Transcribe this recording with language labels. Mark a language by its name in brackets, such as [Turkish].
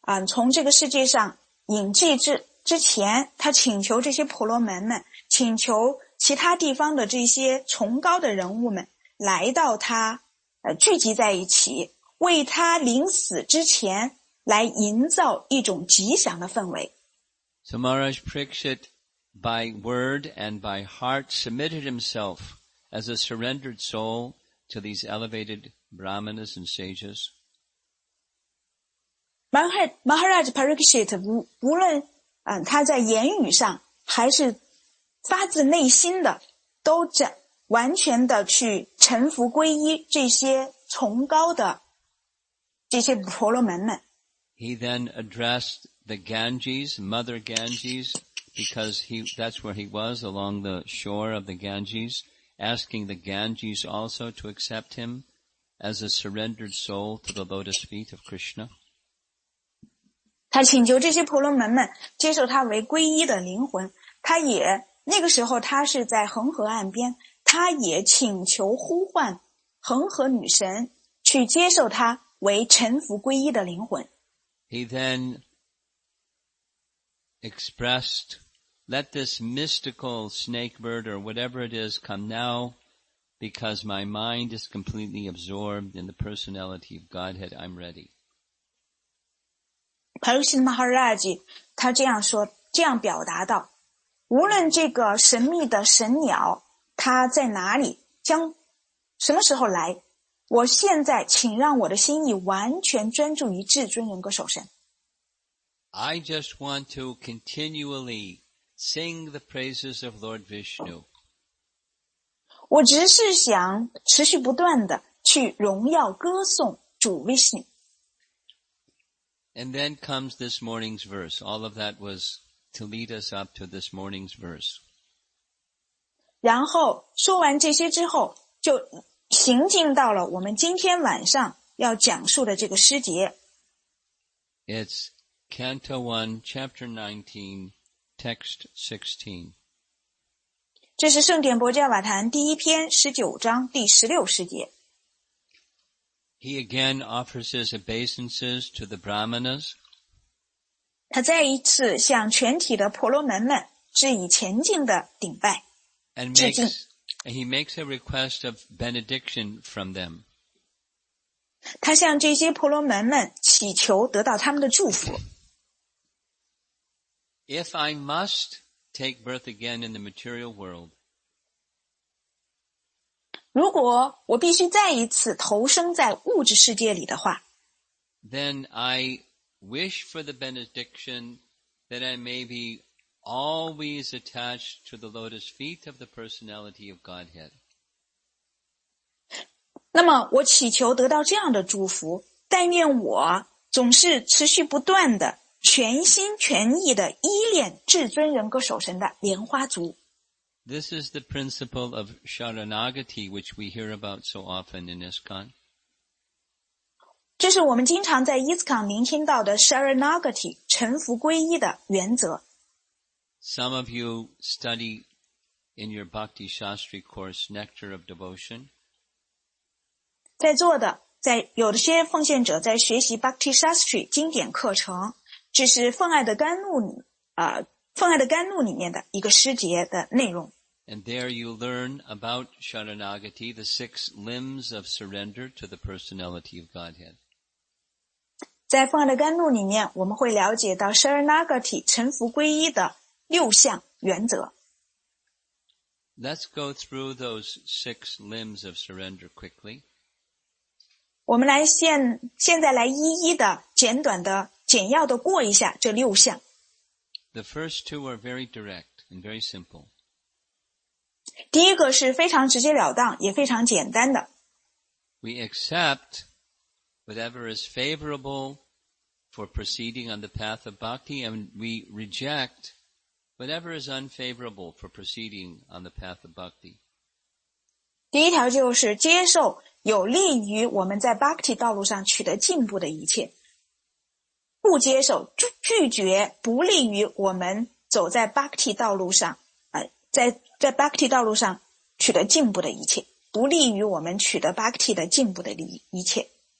[Chinese] 从这个世界上隐迹之前，他请求这些婆罗门们，请求其他地方的这些崇高的人物们来到他聚集在一起，为他临死之前来营造一种吉祥的氛围。 [English] So Maharaj Pariksit by word and by heart submitted himself as a surrendered soul to these elevated brahmanas and sages. [Chinese] Maharaj Pariksit 无论他在言语上还是发自内心的都完全的去臣服皈依这些崇高的这些婆罗门们。 [English] He then addressed the Ganges, Mother Ganges, because that's where he was along the shore of the Ganges, asking the Ganges also to accept him as a surrendered soul to the lotus feet of Krishna. [Chinese] 他请求这些婆罗门们接受他为皈依的灵魂，他也那个时候他是在恒河岸边，他也请求呼唤恒河女神去接受他为臣服皈依的灵魂。 [English] He then expressed, "Let this mystical snake bird or whatever it is come now, because my mind is completely absorbed in the personality of Godhead. I'm ready." [Chinese] Pariksit Maharaj 他这样说这样表达道，无论这个神秘的神鸟它在哪里，将什么时候来，我现在请让我的心意完全专注于至尊人格守神。 [English] I just want to continually sing the praises of Lord Vishnu. [Chinese] 我只是想持续不断地去荣耀歌颂主 Vishnu。 [English] And then comes this morning's verse. All of that was to lead us up to this morning's verse. [Chinese] 然后说完这些之后就行进到了我们今天晚上要讲述的这个诗节。 [English] It's Canto 1, Chapter 19, Text 16. [Chinese] 这是圣典伯加瓦坛第一篇19章第16诗节。 [English] He again offers his obeisances to the Brahmanas. [Chinese] 他再一次向全体的婆罗门们致以虔敬的顶拜。 [English] And he makes a request of benediction from them. [Chinese] 他向这些婆罗门们祈求得到他们的祝福。 [English] If I must take birth again in the material world, [Chinese] 如果我必须再一次投生在物质世界里的话， [English] then I wish for the benediction that I may beAlways attached to the lotus feet of the personality of Godhead. [Chinese] 那么我祈求得到这样的祝福，但愿我总是持续不断的全心全意的依恋至尊人格守神的莲花足。 [English] This is the principle of Sharanagati, which we hear about so often in ISKCON. [Chinese] 这是我们经常在 ISKCON 聆听到的 Sharanagati, 臣服皈依的原则。 [English] Some of you study in your Bhakti Shastri course Nectar of Devotion. [Chinese] 在座的，在有些奉献者在学习 Bhakti Shastri 经典课程，这是奉爱的甘露，奉爱的甘露里面的一个诗节的内容。 [English] And there you learn about Sharanagati, the six limbs of surrender to the personality of Godhead. [Chinese] 在奉爱的甘露里面，我们会了解到 Sharanagati 臣服皈依的六项原则。 [English] Let's go through those six limbs of surrender quickly. [Chinese] 我们来现在来一一的简短的简要的过一下这六项。 [English] The first two are very direct and very simple. [Chinese] 第一个是非常直截了当也非常简单的。 [English] We accept whatever is favorable for proceeding on the path of bhakti and we rejectWhatever is unfavorable for proceeding on the path of bhakti. [Chinese] 第一条就是接受有利于我们在 bhakti 道路上取得进步的一切，不接受拒绝不利于我们走在 bhakti 道路上，在 bhakti 道路上取得进步的一切，不利于我们取得 bhakti 的进步的一切。